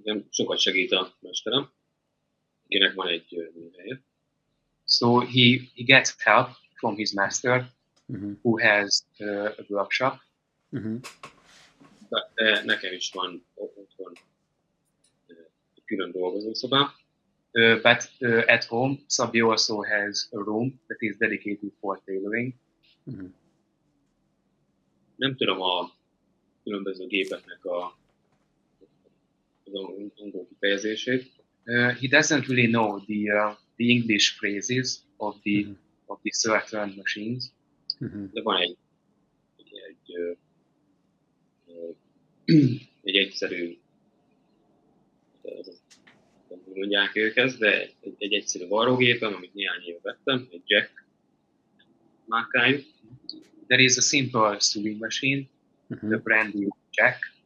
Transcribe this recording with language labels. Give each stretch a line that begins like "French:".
Hungarian: Sokat segít a mesterem, akinek van egy műhelye.
English: So he gets help from his master, who has a workshop.
Hungarian: De nekem is van otthon egy külön dolgozószobám.
English: But at home, Szabi also has a room that is dedicated for tailoring.
Hungarian: Nem tudom a különböző gépeknek az angol kifejezését.
English: He doesn't really know the English phrases of the of the certain machines.
Hungarian: De van egy egyszerű. Mondják őket, de egy egyszerű varrógépem, amit néhány éve vettem, egy jack márkájú.
English: There is a simple sewing machine, the brand new jack.